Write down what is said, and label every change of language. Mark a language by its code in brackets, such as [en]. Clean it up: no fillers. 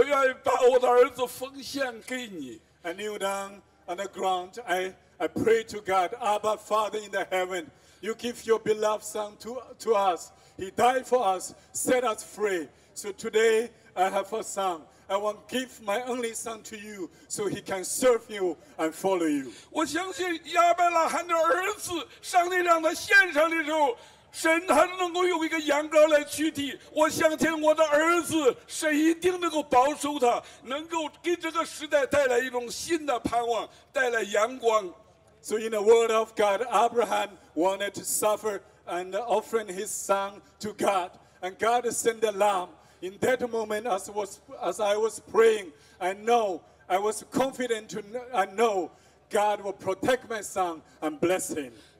[zh] 我说阿爸父神，你爱我们，把你的独生爱子为我们被钉在十字架上死了。我现在没有什么可以献上的，我愿意把我的儿子奉献给你。 [en] I kneel down on the ground. I pray to God, Abba, Father in the heaven. You give your beloved son to us. He died for us, set us free. So today, I have a son. I want to give my only son to you so he can serve you and follow you. [zh] 我相信亚伯拉罕的儿子上帝让他献上的时候，神他能够用一个羊羔来取替。我相信我的儿子，神一定能够保守他，能够给这个时代带来一种新的盼望，带来阳光。 [en] So in the word of God, Abraham wanted to suffer and offering his son to God. And God sent the lamb. In that moment, as I was praying, I was confident to know God will protect my son and bless him.